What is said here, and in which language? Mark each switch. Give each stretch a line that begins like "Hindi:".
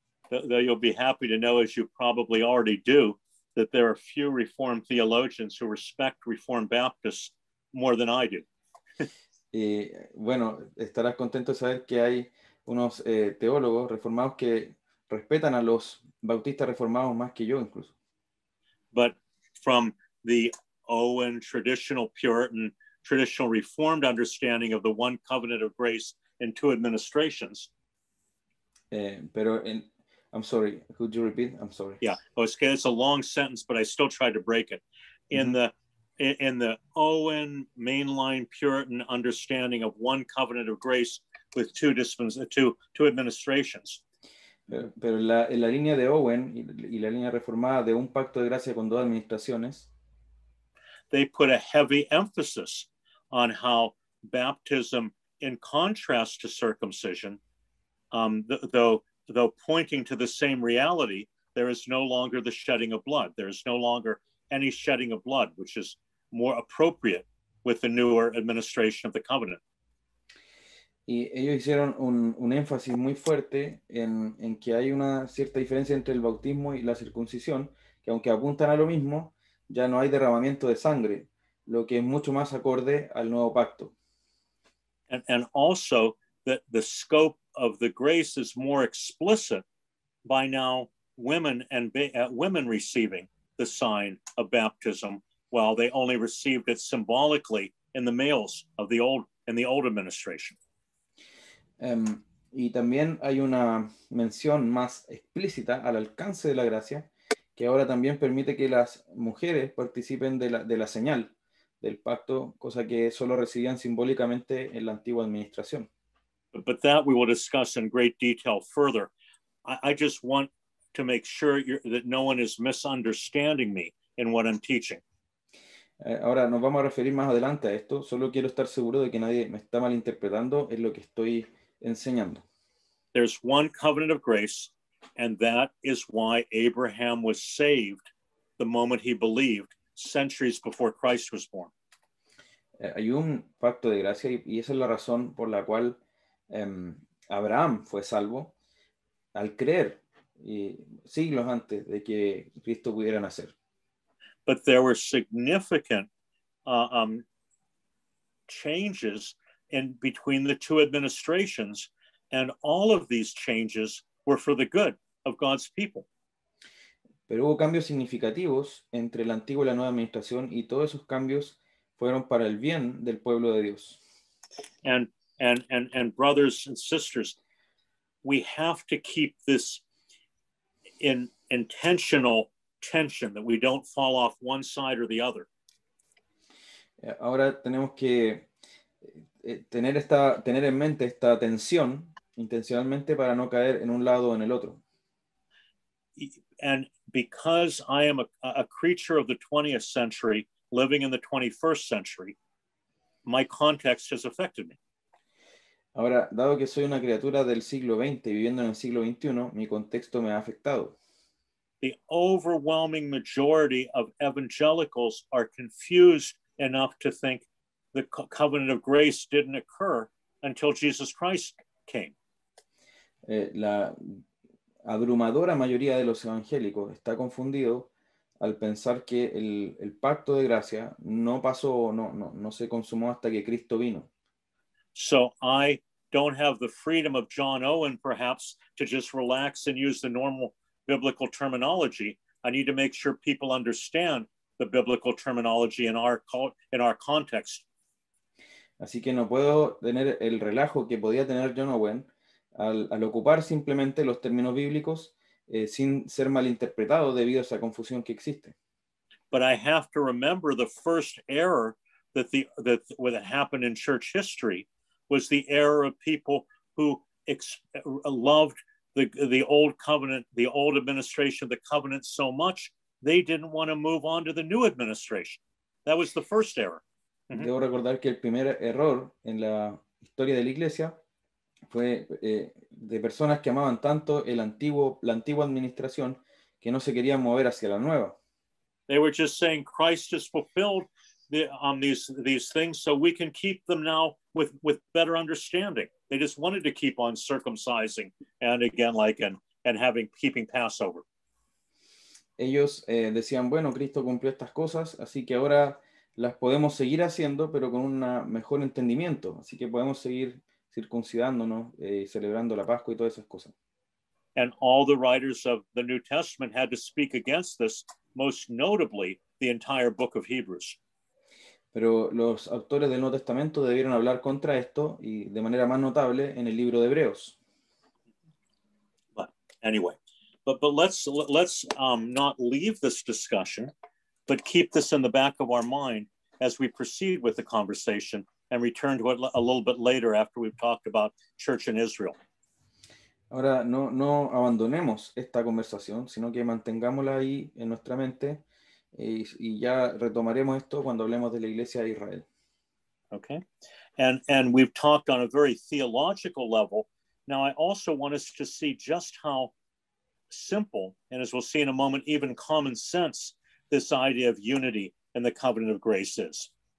English: Though you'll be happy to know, as you probably already do, that there are few Reformed theologians who respect Reformed Baptists more than I do.
Spanish: Y bueno, estarás contento de saber que hay unos teólogos reformados que respetan a los bautistas reformados más que yo incluso.
English: But from the Owen traditional Puritan, traditional Reformed understanding of the one covenant of grace in two administrations. I'm sorry, could you repeat? I'm sorry. Yeah, oh, it's a long sentence, but I still tried to break it. In the Owen mainline Puritan understanding of one covenant of grace with two administrations.
Spanish: Pero en la línea de Owen y la línea reformada de un pacto de gracia con dos administraciones,
English: they put a heavy emphasis on how baptism, in contrast to circumcision, though pointing to the same reality, there is no longer the shedding of blood. There is no longer any shedding of blood, which is more appropriate with the newer administration of the covenant.
Spanish: Y ellos hicieron un énfasis muy fuerte en que hay una cierta diferencia entre el bautismo y la circuncisión, que aunque apuntan a lo mismo, ya no hay derramamiento de sangre, lo que es mucho más acorde al nuevo pacto.
English: And also that the scope of the grace is more explicit by now women receiving the sign of baptism, while they only received it symbolically in the males of the old in the old administration.
Spanish: Y también hay una mención más explícita al alcance de la gracia que ahora también permite que las mujeres participen de la señal del pacto, cosa que solo recibían simbólicamente en la antigua administración.
English: But that we will discuss in great detail further. I just want to make sure that no one is misunderstanding me in what I'm teaching.
Spanish: Ahora nos vamos a referir más adelante a esto. Solo quiero estar seguro de que nadie me está malinterpretando en lo que estoy enseñando.
English: There's one covenant of grace, and that is why Abraham was saved the moment he believed, centuries before Christ was born.
Spanish: Hay un pacto de gracia, y esa es la razón por la cual Abraham fue salvo al creer y siglos antes de que Cristo pudiera nacer.
English: But there were significant changes in between the two administrations, and all of these changes were for the good of God's people.
Spanish: Pero hubo cambios significativos entre el antiguo y la nueva administración, y todos esos cambios fueron para el bien del pueblo de Dios.
English: And brothers and sisters, we have to keep this in intentional tension, that we don't fall off one side or the other.
Spanish: Ahora tenemos que tener en mente esta tensión intencionalmente para no caer en un lado o en el otro.
English: And because I am a creature of the 20th century living in the 21st century, my context has affected me.
Spanish: Ahora, dado que soy una criatura del siglo XX viviendo en el siglo XXI, mi contexto me ha afectado.
English: The overwhelming majority of evangelicals are confused enough to think the covenant of grace didn't occur until Jesus Christ came.
Spanish: La abrumadora mayoría de los evangélicos está confundido al pensar que el pacto de gracia no pasó, no se consumó hasta que Cristo vino.
English: So I don't have the freedom of John Owen, perhaps, to just relax and use the normal biblical terminology. I need to make sure people understand the biblical terminology in our context.
Spanish: Así que no puedo tener el relajo que podía tener John Owen al ocupar simplemente los términos bíblicos sin ser malinterpretado debido a esa confusión que existe.
English: But I have to remember the first error that happened in church history was the error of people who loved the old covenant, the old administration of the covenant so much, they didn't want to move on to the new administration. That was the first error. Mm-hmm.
Spanish: Debo recordar que el primer error en la historia de la iglesia fue de personas que amaban tanto la antigua administración que no se querían mover hacia la nueva.
English: They were just saying Christ has fulfilled these things, so we can keep them now with better understanding. They just wanted to keep on circumcising and again, like, and having, keeping Passover.
Spanish: Ellos decían, bueno, Cristo cumplió estas cosas, así que ahora las podemos seguir haciendo, pero con un mejor entendimiento. Así que podemos seguir circuncidándonos, celebrando la Pascua y todas esas cosas.
English: And all the writers of the New Testament had to speak against this, most notably the entire book of Hebrews.
Spanish: Pero los autores del Nuevo Testamento debieron hablar contra esto y de manera más notable en el libro de Hebreos.
English: But anyway, but let's not leave this discussion, but keep this in the back of our mind as we proceed with the conversation and return to it a little bit later after we've talked about church in Israel.
Spanish: Ahora, no abandonemos esta conversación, sino que mantengámosla ahí en nuestra mente y ya retomaremos esto cuando hablemos de la Iglesia de Israel.
English: Okay. And we've talked on a very theological level. Now, I also want us to see just how simple, and as we'll see in a moment, even common sense, this idea of unity in the covenant of grace is.